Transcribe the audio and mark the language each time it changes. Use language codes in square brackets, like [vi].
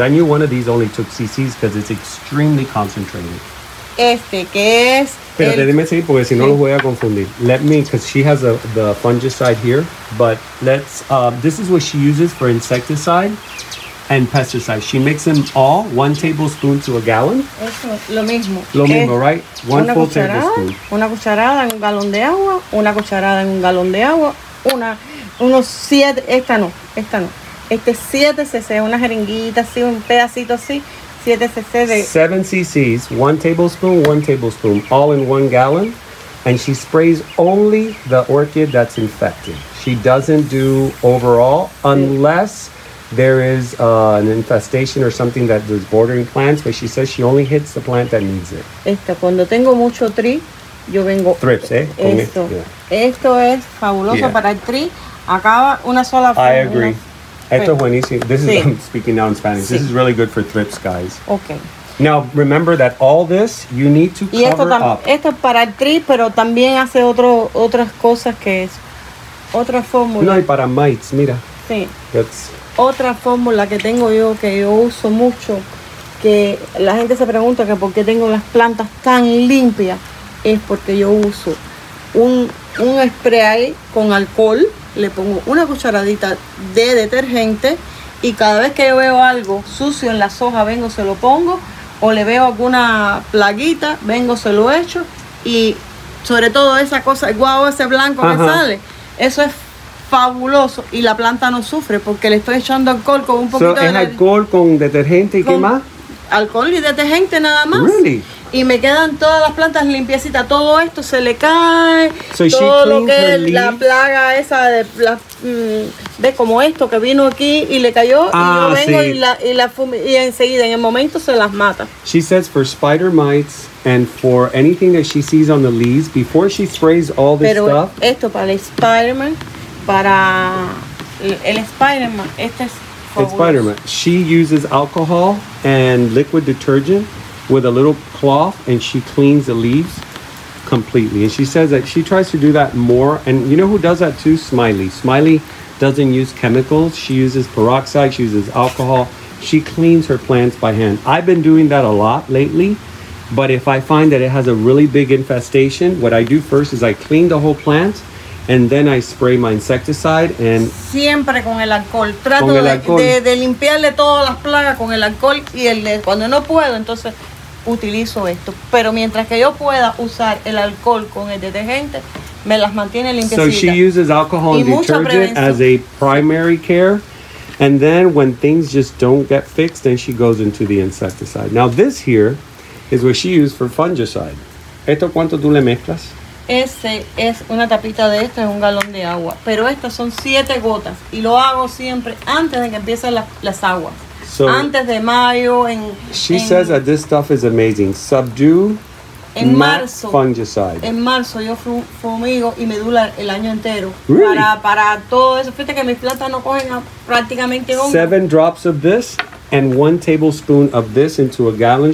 [en] I knew one of these only took cc's because it's extremely concentrated. [es] Este, que es... Pero déjeme seguir porque si no lo voy a confundir. [en] Let me, because she has the fungicide here, but let's, this is what she uses for insecticide and pesticide. She makes them all 1 tablespoon to a gallon. [es] Eso, lo mismo. Lo mismo, [en] right? One full tablespoon. [es] Una cucharada en un galón de agua, una cucharada en un galón de agua, una, unos siete, esta no, esta no. Este 7 cc, una jeringuita así, un pedacito así. [en] 7 cc's, 1 tablespoon, 1 tablespoon, all in 1 gallon. And she sprays only the orchid that's infected. She doesn't do overall unless there is an infestation or something that is bordering plants, but she says she only hits the plant that needs it. [es] Esta, cuando tengo mucho tri, yo vengo... Thrips, ¿eh? Esto. Yeah. Esto es fabuloso, yeah, para el tri. Acaba una sola [en] forma. I agree. [es] Esto buenísimo. [en] This is, sí. I'm speaking now in Spanish. Sí. This is really good for thrips, guys. Okay. Now, remember that all this, you need to cover up. [es] Esto es para el tri, pero también hace otras cosas que es... Otra fórmula. No, y para mites, mira. Sí. [en] That's... [es] Otra fórmula que tengo yo, que yo uso mucho, que la gente se pregunta que por qué tengo las plantas tan limpias, es porque yo uso un spray con alcohol. Le pongo una cucharadita de detergente y cada vez que yo veo algo sucio en las hojas, vengo, se lo pongo, o le veo alguna plaguita, vengo, se lo echo, y sobre todo esa cosa, el guau, ese blanco que sale, eso es fabuloso y la planta no sufre porque le estoy echando alcohol con un poquito de... alcohol con detergente y qué más? Alcohol y detergente nada más. Really? Y me quedan todas las plantas limpiecitas. Todo esto se le cae. [en] So [es] todo lo que es la plaga esa de la, ¿ves? Como esto que vino aquí y le cayó. Ah, y yo vengo, sí. y enseguida, en el momento, se las mata. [en] She says for spider mites and for anything that she sees on the leaves, before she sprays all this [es] pero [en] stuff. [es] Esto para el Spider-Man, para el Spider-Man, este es... [en] It's Spider-Man. She uses alcohol and liquid detergent with a little cloth, and she cleans the leaves completely. And she says that she tries to do that more. And you know who does that too? Smiley. Smiley doesn't use chemicals. She uses peroxide. She uses alcohol. She cleans her plants by hand. I've been doing that a lot lately. But if I find that it has a really big infestation, what I do first is I clean the whole plant. And then I spray my insecticide and... [es] Siempre con el alcohol. Trato el alcohol. De limpiarle todas las plagas con el alcohol. Y cuando no puedo, entonces utilizo esto. Pero mientras que yo pueda usar el alcohol con el detergente, me las mantiene limpiecitas. [en] So she uses alcohol and detergent as a primary care. And then when things just don't get fixed, then she goes into the insecticide. Now this here is what she used for fungicide. [es] ¿Esto cuánto tú le mezclas? Ese es una tapita de esto, es un galón de agua. Pero estas son 7 gotas. Y lo hago siempre antes de que empiecen las aguas. [en] So [es] antes de mayo. [en] Says that this stuff is amazing. Subdue, [es] en marzo, [en] fungicide. [es] En marzo yo fumigo y medula el año entero. [en] Really? [es] Para todo eso. Fíjate que mis plantas no cogen prácticamente hongo. [en] 7 drops of this and 1 tablespoon of this into a gallon.